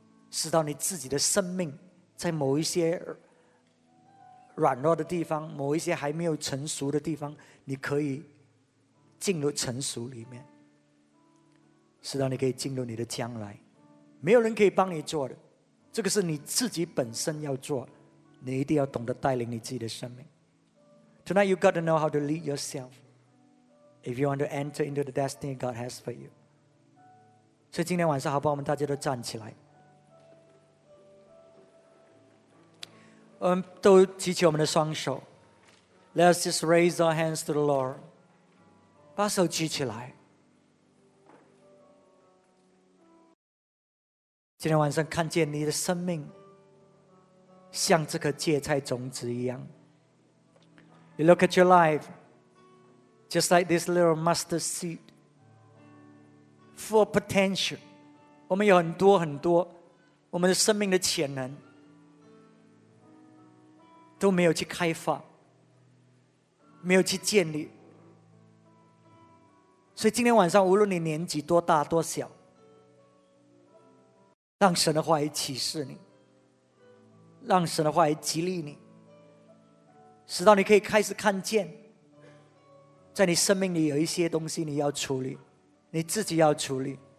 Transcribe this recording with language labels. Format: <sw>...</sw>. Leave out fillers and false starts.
<zh>使到你自己的生命在某一些软弱的地方，某一些还没有成熟的地方，你可以进入成熟里面，使到你可以进入你的将来。没有人可以帮你做的，这个是你自己本身要做，你一定要懂得带领你自己的生命。</zh> <en>Tonight you've got to know how to lead yourself if you want to enter into the destiny God has for you.</en> <zh>所以今天晚上好不好，我们大家都站起来，我们都举起我们的双手。</zh> <en>Let's just raise our hands to the Lord.</en> <zh>把手举起来。今天晚上看见你的生命像这颗芥菜种子一样。</zh> <en>You look at your life just like this little mustard seed full of potential.</en> <zh>我们有很多很多我们的生命的潜能都没有去开发，没有去建立。所以今天晚上无论你年纪多大多小，让神的话语启示你，让神的话语激励你，使到你可以开始看见在你生命里有一些东西你要处理，你自己要处理。</zh>